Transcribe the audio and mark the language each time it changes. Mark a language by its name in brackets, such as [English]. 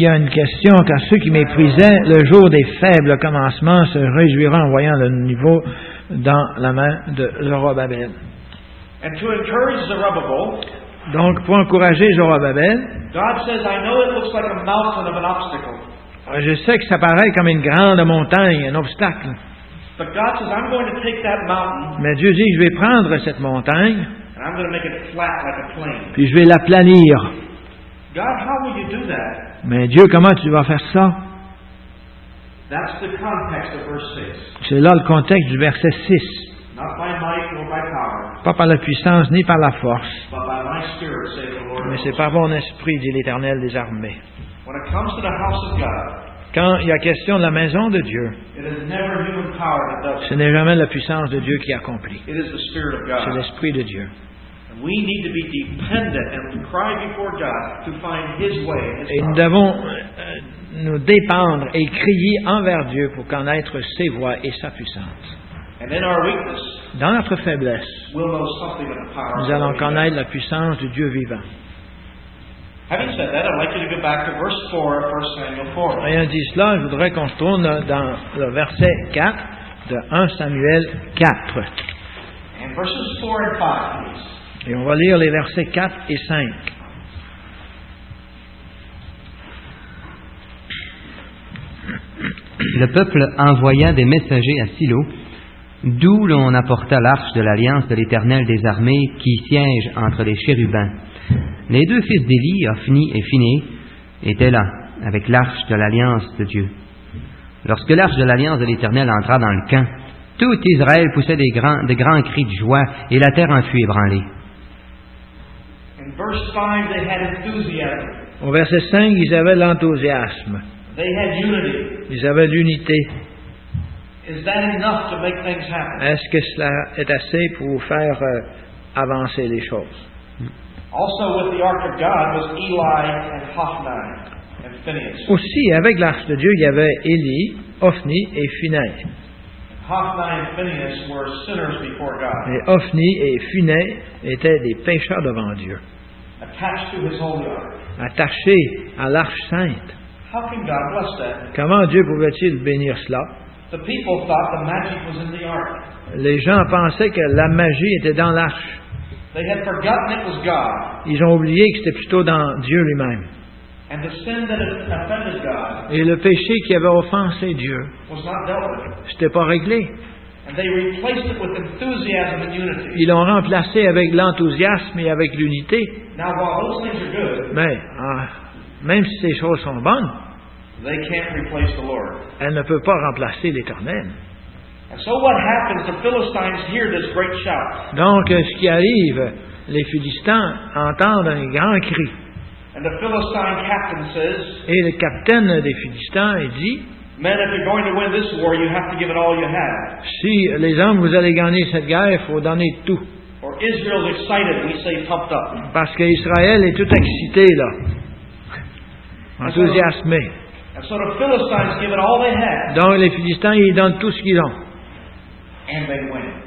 [French] y a une question car ceux qui méprisaient le jour des faibles commencements se réjouiront en voyant le niveau dans la main de Zorobabel. [English] And to encourage Zerubbabel. [French] Donc, pour encourager Zorobabel, je sais que ça paraît comme une grande montagne, un obstacle. [English] But God says, I'm going to take that mountain, [French] mais Dieu dit, je vais prendre cette montagne, [English] and I'm going to make it flat like a plain. [French] Puis je vais l'aplanir. [English] God, how will you do that? [French] Mais Dieu, comment tu vas faire ça? [English] That's the context of verse 6. [French] C'est là le contexte du verset 6. [English] Not by might or by power. [French] Pas par la puissance ni par la force. [English] But by my spirit, say the Lord. [French] Mais c'est par mon esprit, dit l'Éternel des armées. [English] When it comes to the house of God, [French] quand il y a question de la maison de Dieu, [English] it is never human power that does it. [French] Ce n'est jamais la puissance de Dieu qui accomplit. [English] It is the spirit of God. [French] C'est l'esprit de Dieu. [English] We need to be dependent and cry before God to find His way. [French] Et nous devons nous dépendre et crier envers Dieu pour connaître ses voies et sa puissance. [English] And in our weakness, [French] dans notre faiblesse, [English] we'll know something of the power. [French] Nous allons connaître la puissance du Dieu vivant. [English] Having said that, I'd like you to go back to verse 4 of 1 Samuel 4. [French] Ayant dit cela, je voudrais qu'on tourne dans le verset 4 de 1 Samuel 4. [English] And verses 4 and 5, please. [French] Et on va lire les versets 4 et 5. Le peuple envoya des messagers à Silo, d'où l'on apporta l'arche de l'Alliance de l'Éternel des armées qui siège entre les chérubins. Les deux fils d'Élie, Ophni et Phiné, étaient là, avec l'arche de l'Alliance de Dieu. Lorsque l'arche de l'Alliance de l'Éternel entra dans le camp, tout Israël poussait de grands cris de joie et la terre en fut ébranlée. [English] Verse 5, they had enthusiasm. [French] Au verset 5, ils avaient l'enthousiasme. [English] They had unity. [French] Ils avaient l'unité. [English] Is that enough to make things happen? [French] Est-ce que cela est assez pour faire avancer les choses? [English] Also with the ark of God was Eli and Hophni and Phinehas. [French] Aussi avec l'arche de Dieu, il y avait Élie, Ophni et Phinehas. [English] Hophni and Phinehas were sinners before God. [French] Et Ophni et Phinehas étaient des pécheurs devant Dieu. [English] Attached to his holy ark. [French] Attaché à l'arche sainte. [English] How can God bless that? [French] Comment Dieu pouvait-il bénir cela? [English] The people thought the magic was in the ark. [French] Les gens pensaient que la magie était dans l'arche. [English] They had forgotten it was God. [French] Ils ont oublié que c'était plutôt dans Dieu lui-même. [English] And the sin that had offended God. [French] Et le péché qui avait offensé Dieu. [English] Was not dealt with. [French] C'était pas réglé. [English] And they replaced it with enthusiasm and unity. [French] Ils l'ont remplacé avec l'enthousiasme et avec l'unité. [English] Now, while those things are good, [French] mais même si ces choses sont bonnes, [English] they can't replace the Lord. [French] Elles ne peuvent pas remplacer l'Éternel. [English] And so what happens, the Philistines hear this great shout. [French] Donc, ce qui arrive, les Philistins entendent un grand cri. [English] And the Philistine captain says, [French] et le capitaine des Philistins dit, [English] men, if you're going to win this war, you have to give it all you have. [French] Si les hommes vous allez gagner cette guerre, il faut donner tout. [English] Or Israel's excited, we say pumped up. [French] Parce que Israël est tout excité là, enthousiasmé. [English] And so the Philistines give it all they have. [French] Donc les Philistins ils donnent tout ce qu'ils ont. [English] And they win.